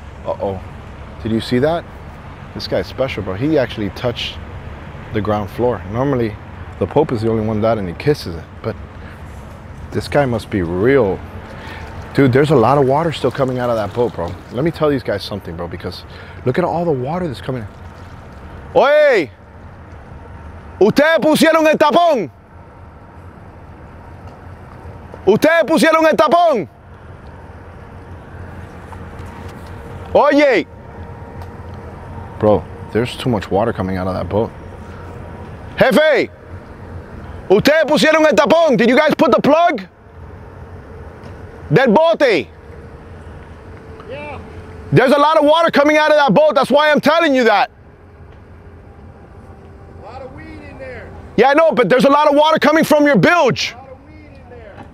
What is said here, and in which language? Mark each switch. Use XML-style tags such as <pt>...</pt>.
<en>Uh-oh, did you see that? This guy's special, bro. He actually touched the ground floor. Normally, the Pope is the only one that, and he kisses it, but this guy must be real. Dude, there's a lot of water still coming out of that boat, bro. Let me tell these guys something, bro, because look at all the water that's coming in.</en> <es>Oye, ¿ustedes pusieron el tapón? ¿Ustedes pusieron el tapón? Oye.</es> <en>Bro, there's too much water coming out of that boat.</en> <es>Jefe, ¿ustedes pusieron el tapón?</es> <en>Did you guys put the plug?</en> <es>Del bote.</es> <en>There's a lot of water coming out of that boat. That's why I'm telling you that. A lot of weed in there. Yeah, I know, but there's a lot of water coming from your bilge. A lot of weed in there.</en>